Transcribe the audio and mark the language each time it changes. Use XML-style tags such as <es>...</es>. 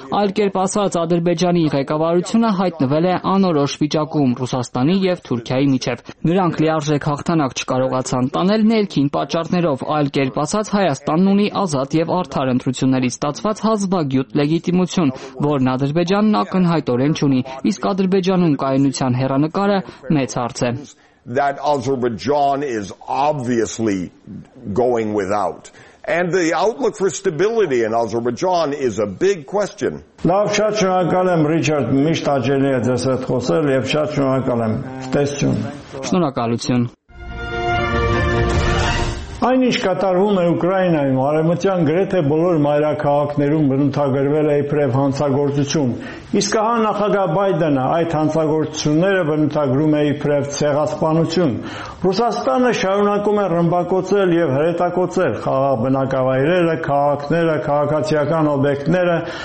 <hy>Այլ կերպ ասած, Ադրբեջանի ղեկավարությունը հայտնվել է անորոշ վիճակում Ռուսաստանի եւ Թուրքիայի միջեւ։ Նրանք լիարժեք հաղթանակ չկարողացան տանել ներքին պատճառներով, այլ կերպ ասած, Հայաստանն ունի ազատ եւ արդար ընտրություններից ստացված հազվագյուտ լեգիտիմություն, որն Ադրբեջանն ակնհայտորեն չունի, իսկ Ադրբեջանում կայունության հեռանկարը մեծ հարց է.</hy> <en>That Azerbaijan is obviously going without, and the outlook for stability in Azerbaijan is a big question.</en> <hy>Լավ, շատ շնորհակալ եմ, Ռիչարդ, միշտ աջելի է ձեզ հետ խոսել եւ շատ շնորհակալ եմ, տեսություն։ Շնորհակալություն։ Այնինչ կատարվում է Ուկրաինայում, արևմտյան գրեթե բոլոր մայրաքաղաքներում բնութագրվել է իբրև հանցագործություն։ Իսկ ահա նախագահ Բայդենը այդ հանցագործությունները բնութագրում է իբրև ցեղասպանություն։ Ռուսաստանը շարունակում է ռմբակոծել եւ հրետակոծել խաղաբնակավայրերը, քաղաքները, քաղաքացիական օբյեկտները,</hy>